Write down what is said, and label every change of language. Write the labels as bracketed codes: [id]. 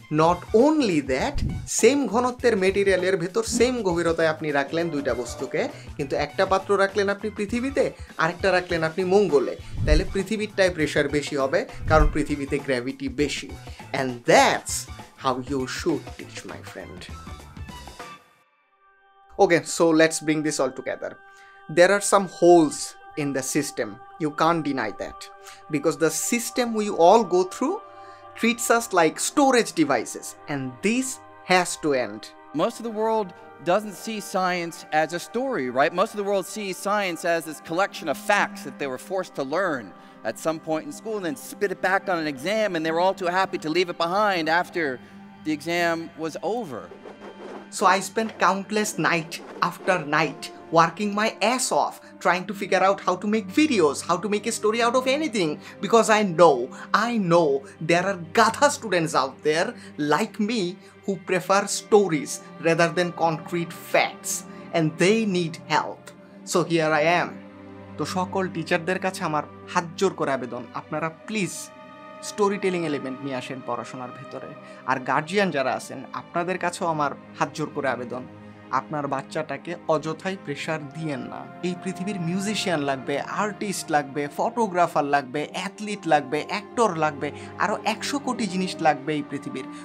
[en] not only that, [bn] same ঘনত্বের মেটেরিয়ালের ভেতর same গভীরতায় আপনি রাখলেন দুইটা বস্তুকে, কিন্তু একটা পাত্র রাখলেন আপনি পৃথিবীতে, আরেকটা রাখলেন আপনি মঙ্গলে, তাইলে পৃথিবীরটায় প্রেশার বেশি হবে কারণ পৃথিবীতে গ্র্যাভিটি বেশি। [en] And that's how you should teach my friend. Okay, so let's bring this all together. There are some holes in the system. You can't deny that. Because the system we all go through treats us like storage devices. And this has to end. Most of the world doesn't see science as a story, right? Most of the world sees science as this collection of facts that they were forced to learn at some point in school and then spit it back on an exam, and they were all too happy to leave it behind after the exam was over. So I spent countless night after night working my ass off, trying to figure out how to make videos, how to make a story out of anything, because I know there are gatha students out there like me who prefer stories rather than concrete facts, and they need help. So here I am. [bn] To sokol teacher der kache amar hat jor kore abedon, apnara please storytelling element নিয়ে আসেন পড়াশোনার ভেতরে। আর guardian যারা আছেন, আপনাদের কাছেও আমার হাত জোর করে আবেদন, আপনার বাচ্চাটাকে অযথাই প্রেশার দিয়েন না। এই পৃথিবীর মিউজিশিয়ান লাগবে, আর্টিস্ট লাগবে, ফটোগ্রাফার লাগবে, অ্যাথলিট লাগবে, অ্যাক্টর লাগবে, আরও 100 কোটি জিনিস লাগবে এই পৃথিবীর।